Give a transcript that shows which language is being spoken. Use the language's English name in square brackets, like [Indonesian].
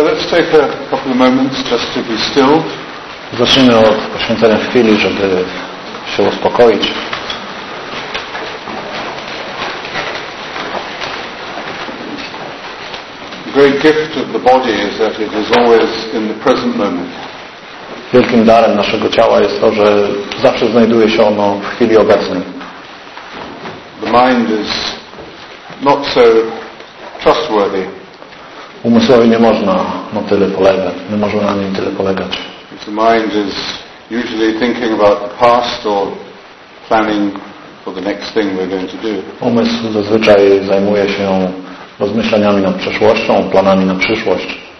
[English] Take a couple of moments just to be still. [Polish] Zacznijmy od poświęcenia chwili, żeby się uspokoić. [English] The great gift of the body is that it is always in the present moment. [Polish] Wielkim darem naszego ciała jest to, że zawsze znajduje się ono w chwili obecnej. [English] The mind is not so trustworthy. [Polish] Umysłowi nie można na tyle polegać, nie można na nim tyle polegać. [English] If the mind is usually thinking about the past or planning for the next thing we're going to do. [Polish] Umysł zazwyczaj zajmuje się rozmyślaniami nad przeszłością, planami na przyszłość.